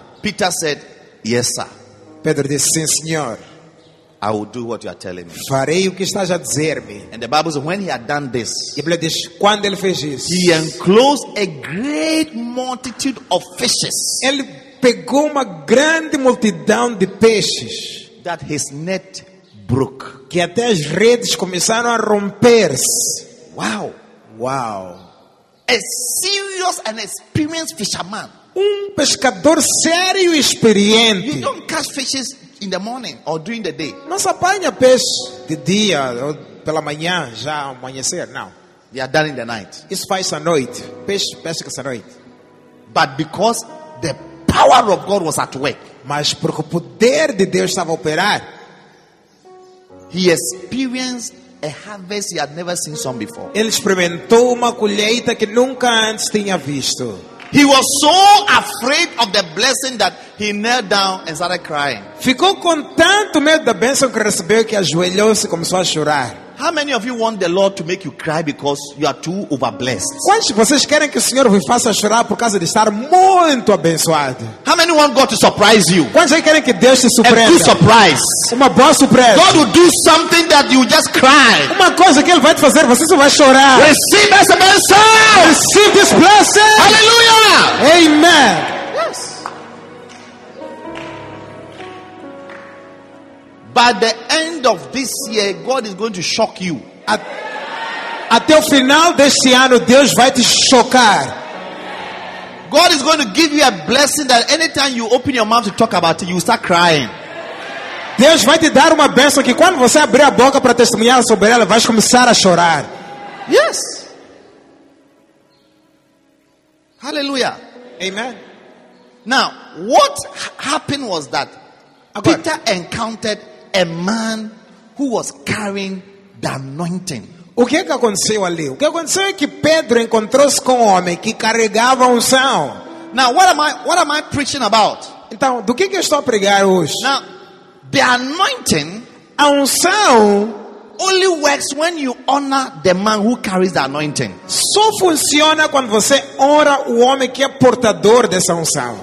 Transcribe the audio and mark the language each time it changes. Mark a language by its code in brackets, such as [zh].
[en] Peter said yes, sir. [pt] Pedro disse sim, senhor. [en] I will do what you are telling me. [pt] Farei o que estás a dizer-me. [en] And the Bible says when he had done this, [pt] e Bíblia diz, quando ele fez isso, [en] he enclosed a great multitude of fishes. [pt] Ele pegou uma grande multidão de peixes. [en] That his net broke. [pt] Que até as redes começaram a romper-se. [en] Wow. Wow. A serious and experienced fisherman. [pt] Pescador sério e experiente. [en] You don't catch fishes in the morning or during the day. [pt] Não se apanha peixe de dia ou pela manhã, já amanhecer, não. [en] They are done in the night. [pt] Isso faz à noite. Peixe que se noite. [en] But because the power of God was at work. [pt] Mas porque o poder de Deus estava a operar. [en] He experienced a harvest he had never seen some before. [pt] Ele experimentou uma colheita que nunca antes tinha visto. [en] He was so afraid of the blessing that he knelt down and started crying. [pt] Ficou com tanto medo da bênção que recebeu que ajoelhou-se e começou a chorar. [en] How many of you want the Lord to make you cry because you are too overblessed? [pt] Quantos de vocês querem que o Senhor vos faça chorar por causa de estar muito abençoado? [en] How many want God to surprise you? [pt] Quantos aí querem que Deus te surpreenda? [en] A good surprise. [pt] Uma boa surpresa. [en] God will do something that you just cry. [pt] Uma coisa que ele vai te fazer, você só vai chorar. Receive essa bênção. [en] Receive this blessing. Hallelujah. Amen. Yes. By the end of this year, God is going to shock you. [pt] Até o final deste ano, Deus vai te chocar. [en] God is going to give you a blessing that anytime you open your mouth to talk about it, you start crying. [pt] Deus vai te dar uma bênção que quando você abrir a boca para testemunhar sobre ela, vais começar a chorar. [en] Yes. Hallelujah. Amen. Now, what happened was that Peter encountered a man who was carrying the anointing. [pt] O que que aconteceu ali? O que aconteceu é que Pedro encontrou-se com um homem que carregava unção. [en] Now, what am I preaching about? [pt] Então, do que eu estou a pregar hoje? [en] Now, the anointing, [pt] a unção, [en] only works when you honor the man who carries the anointing. [pt] Só funciona quando você honra o homem que é portador dessa unção.